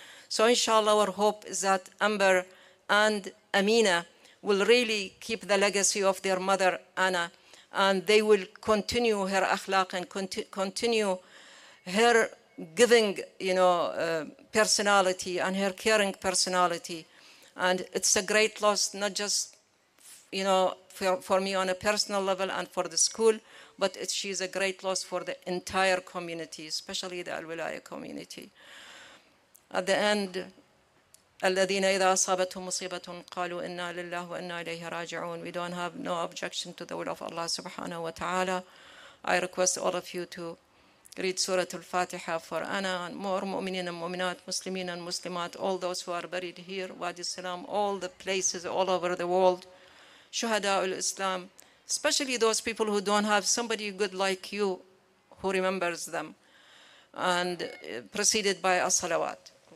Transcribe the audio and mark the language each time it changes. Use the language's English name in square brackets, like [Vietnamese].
[English] So inshallah, our hope is that Amber and Amina will really keep the legacy of their mother, Anna, and they will continue her akhlaq and continue her giving, you know, personality and her caring personality. And it's a great loss, not just, you know, for me on a personal level and for the school, but she's a great loss for the entire community, especially the Al-Wilaya community. At the end, [Arabic] الَّذِينَ إِذَا أَصَابَتْهُمْ مُصِيبَةٌ قَالُوا إِنَّا لِلَّهُ وَإِنَّا إِلَيْهِ رَاجِعُونَ. [English] We don't have no objection to the will of Allah subhanahu wa ta'ala. I request all of you to read Surah Al-Fatiha for Anna and more mu'minin and mu'minat, muslimin and muslimat, all those who are buried here, Wadi Salam, all the places all over the world, Shuhada al-Islam, especially those people who don't have somebody good like you who remembers them, and preceded by as-salawat.